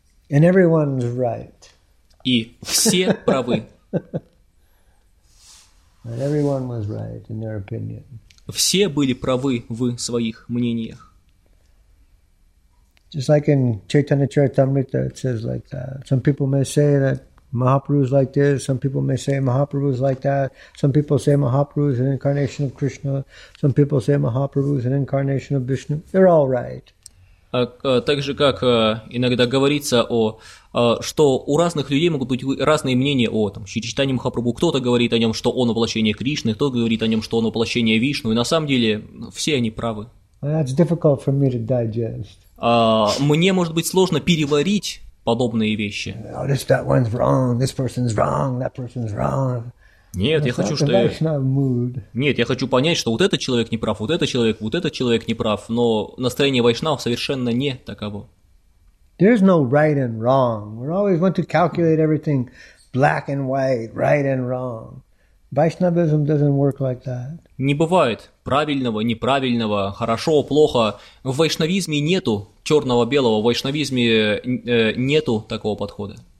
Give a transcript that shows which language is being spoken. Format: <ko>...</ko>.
<en>And everyone's right.</en> <ru>И все правы.</ru> <en>And everyone was right in their opinion.</en> <ru>Все были правы в своих мнениях.</ru> <en>Just like in Chaitanya Charitamrita, it says like that. Some people may say that Mahaprabhu is like this. Some people may say Mahaprabhu is like that. Some people say Mahaprabhu is an incarnation of Krishna. Some people say Mahaprabhu is an incarnation of Vishnu. They're all right.</en> <ru>Так же, как иногда говорится, что у разных людей могут быть разные мнения о там, Шри Чайтанье Махапрабху. Кто-то говорит о нем, что он воплощение Кришны, кто-то говорит о нем, что он воплощение Вишну. И на самом деле все они правы.</ru> <en>That's difficult for me to digest.</en> <ru>Мне, может быть, сложно переварить подобные вещи.</ru> <en>Oh, this, that one's wrong. This person's wrong. That person's wrong.</en> <ru>Нет, я хочу, что я... Нет, я хочу понять, что вот этот человек не прав, вот этот человек не прав, но настроение вайшнав совершенно не таково.</ru> <en>There's no right and wrong. We always want to calculate everything black and white, right and wrong. Vaishnavism doesn't work like that.</en> <ru>Не бывает правильного, неправильного, хорошо, плохо. В вайшнавизме нету черного-белого, в вайшнавизме нету такого подхода.</ru>